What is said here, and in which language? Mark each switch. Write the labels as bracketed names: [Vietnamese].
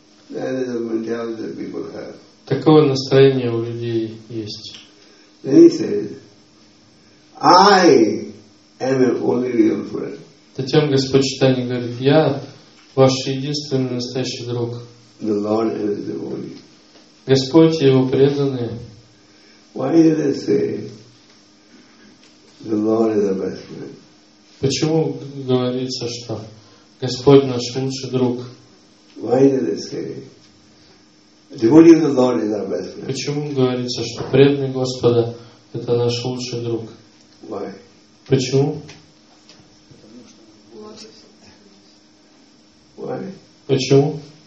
[Russian] Такое настроение у людей есть. Затем Господь Читания говорит, я ваш единственный настоящий друг. [English] The Lord is the only. [Russian] Господь и Его преданные. [English] Why did they say the Lord is the best friend? [Russian] Почему говорится, что Господь наш лучший друг? [English] Why did they say the only the Lord is our best friend? [Russian] Почему говорится, что преданный Господа это наш лучший друг? [English] Why? [Russian] Почему? [English] Why? [Russian] Почему?